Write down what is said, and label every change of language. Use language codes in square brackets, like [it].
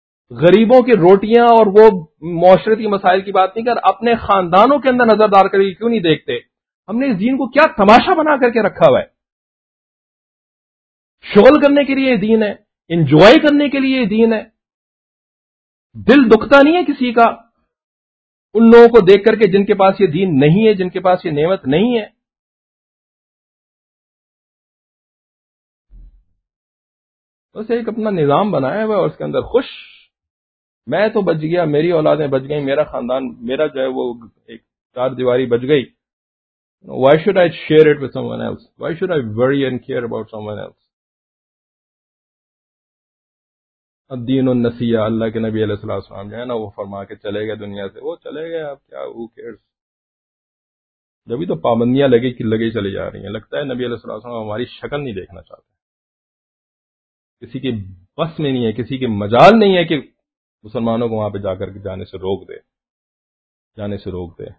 [ur] غریبوں کی روٹیاں اور وہ معاشرتی مسائل کی بات نہیں کر، اپنے خاندانوں کے اندر نظر دار کر کے کیوں نہیں دیکھتے ہم نے اس دین کو کیا تماشا بنا کر کے رکھا ہوا ہے؟ شغل کرنے کے لیے یہ دین ہے، انجوائے کرنے کے لیے یہ دین ہے، دل دکھتا نہیں ہے کسی کا ان لوگوں کو دیکھ کر کے جن کے پاس یہ دین نہیں ہے، جن کے پاس یہ نعمت نہیں ہے. بس ایک اپنا نظام بنایا ہوا اور اس کے اندر خوش، میں تو بچ گیا، میری اولادیں بچ گئیں، میرا خاندان، میرا جو ہے وہ ایک چار دیواری بچ گئی. [en] Why should I share it with someone else? Why should I worry and care about someone else? [ar] الدین النصیحہ، [ur] اللہ کے نبی علیہ السلام جو ہے نا وہ فرما کے چلے گئے دنیا سے، وہ چلے گئے، اب کیا [en] who cares. [ur] جبھی تو پابندیاں لگے کہ لگے چلی جا رہی ہیں، لگتا ہے نبی علیہ السلام ہماری شکل نہیں دیکھنا چاہتے، کسی کے بس میں نہیں ہے، کسی کے مجال نہیں ہے کہ مسلمانوں کو وہاں پہ جا کر کے جانے سے روک دے.